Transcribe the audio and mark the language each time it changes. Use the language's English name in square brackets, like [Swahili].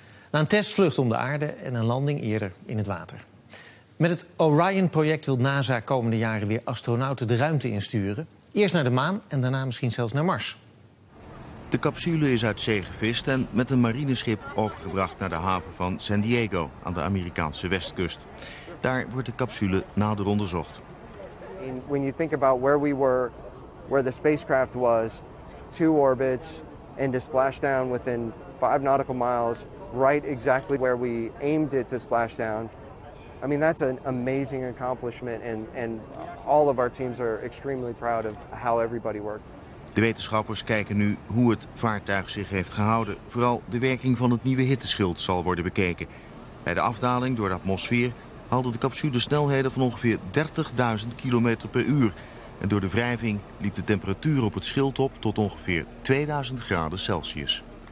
[Dutch] Na een testvlucht om de aarde en een landing eerder in het water. Met het Orion-project wil NASA komende jaren weer astronauten de ruimte insturen. Eerst naar de maan en daarna misschien zelfs naar Mars. De capsule is uit zee gevist en met een marineschip overgebracht naar de haven van San Diego aan de Amerikaanse westkust. Daar wordt de capsule nader onderzocht. [English] When you think about where we were, where the spacecraft was, 2 orbits and to splash down within 5 nautical miles, right exactly where we aimed it to splash down. I mean, that's an amazing accomplishment and all of our teams are extremely proud of how everybody worked. [Dutch] De wetenschappers kijken nu hoe het vaartuig zich heeft gehouden. Vooral de werking van het nieuwe hitteschild zal worden bekeken. Bij de afdaling door de atmosfeer haalde de capsule snelheden van ongeveer 30.000 km per uur. En door de wrijving liep de temperatuur op het schild op tot ongeveer 2000 graden Celsius.